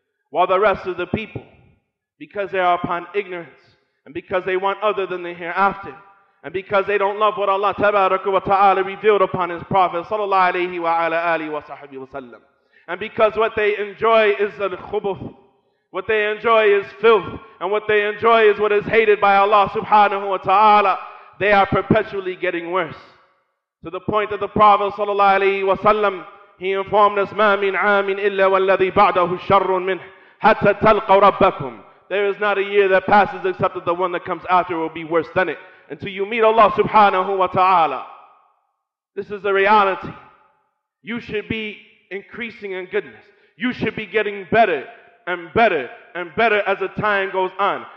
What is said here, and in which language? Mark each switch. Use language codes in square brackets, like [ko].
[en] While the rest of the people, because they are upon ignorance and because they want other than the hereafter, and because they don't love what Allah tabaraka wa ta'ala revealed upon his prophet sallallahu alayhi wa ala alihi wa sahbihi wa sallam, and because what they enjoy is al-khubuth, what they enjoy is filth, and what they enjoy is what is hated by Allah subhanahu wa ta'ala, they are perpetually getting worse. To the point that the Prophet sallallahu alayhi wa sallam, He informed us, [ar] مَا مِنْ عَامٍ إِلَّا وَالَّذِي بَعْدَهُ شَرٌّ مِنْهِ حَتَّى تَلْقَوْ رَبَّكُمْ. [en] There is not a year that passes except that the one that comes after will be worse than it, until you meet Allah subhanahu wa ta'ala. This is the reality. You should be increasing in goodness. You should be getting better and better and better as the time goes on.